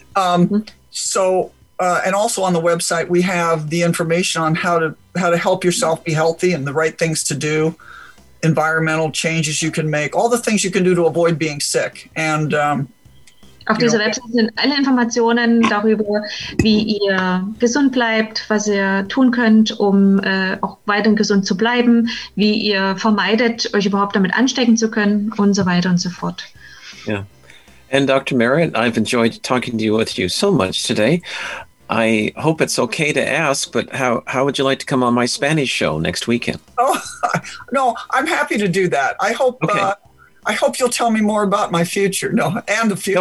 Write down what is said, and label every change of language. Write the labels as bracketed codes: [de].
[en] And also on the website, we have the information on how to help yourself be healthy and the right things to do, environmental changes you can make, all the things you can do to avoid being sick. And [de] auf dieser Website sind alle Informationen darüber, wie ihr gesund bleibt, was ihr tun könnt, um auch weiterhin gesund zu bleiben, wie ihr vermeidet, euch überhaupt damit anstecken zu können und so weiter und so fort. [en] Yeah. And Dr. Merritt, I've enjoyed talking to you with you so much today. I hope it's okay to ask, but how would you like to come on my Spanish show next weekend? Oh, no, I'm happy to do that. I hope I hope you'll tell me more about my future. No, and the future.